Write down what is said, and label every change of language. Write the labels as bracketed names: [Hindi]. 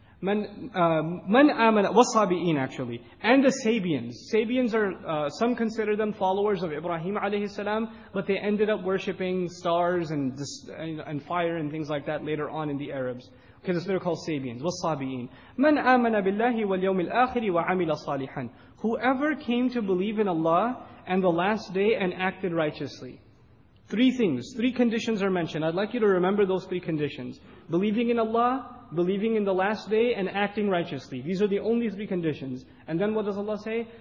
[English] من آمن والصابئين actually, and the Sabians. Sabians are, some consider them followers of Ibrahim alayhi salam, but they ended up worshipping stars and fire and things like that later on in the Arabs. Okay, this they're called Sabians. [Arabic] والصابئين. من آمن بالله واليوم الآخر وعمل صالحا. [English] Whoever came to believe in Allah and the last day and acted righteously. Three things, three conditions are mentioned. I'd like you to remember those three conditions. Believing in Allah, believing in the last day, and acting righteously. These are the only three conditions. And then what does Allah say?